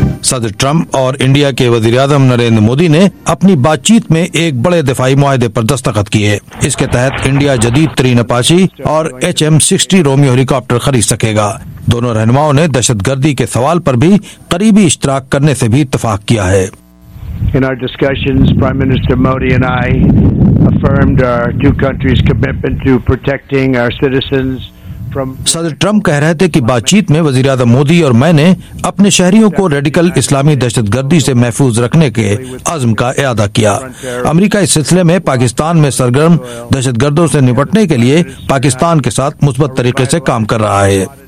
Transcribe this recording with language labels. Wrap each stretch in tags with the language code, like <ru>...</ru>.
<ur>صدر ٹرمپ اور انڈیا کے وزیراعظم نریندر مودی نے اپنی بات چیت میں ایک بڑے دفاعی معاہدے پر دستخط کیے. اس کے تحت انڈیا جدید ترین اپاچی اور HM-60 رومیو ہیلی کاپٹر خرید سکے گا. دونوں رہنماؤں نے دہشت گردی کے سوال پر بھی قریبی اشتراک کرنے سے بھی اتفاق کیا ہے.</ur> <en>In our discussions, Prime Minister Modi and I affirmed our two countries' commitment to protecting our citizens.</en> <ur>صدر ٹرمپ کہہ رہے تھے کہ بات چیت میں وزیر اعظم مودی اور میں نے اپنے شہریوں کو ریڈیکل اسلامی دہشت گردی سے محفوظ رکھنے کے عزم کا اعادہ کیا. امریکہ اس سلسلے میں پاکستان میں سرگرم دہشت گردوں سے نپٹنے کے لیے پاکستان کے ساتھ مثبت طریقے سے کام کر رہا ہے.</ur>